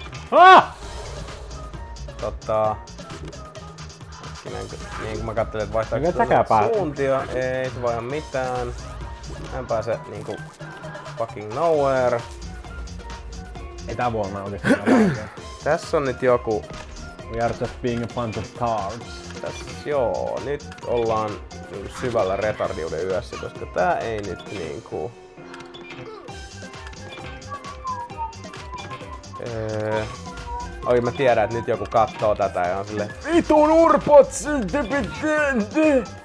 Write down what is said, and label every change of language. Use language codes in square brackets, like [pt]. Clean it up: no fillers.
[fi] Ah! Totta. Niin kuin mä katselin, että vaihtaako tuonne suuntia. Ei se voi ihan mitään. En pääse niinku [en] fucking nowhere. [fi] Ei tää voi olla oikeesti. Tässä on nyt joku... [en] We are just being a bunch of cards. [fi] Tässä joo. Nyt ollaan syvällä retardiuden yössä, koska tää ei nyt niinku... Oi mä tiedän, että nyt joku kattoo tätä ja on sille vitun urpot syntypitty!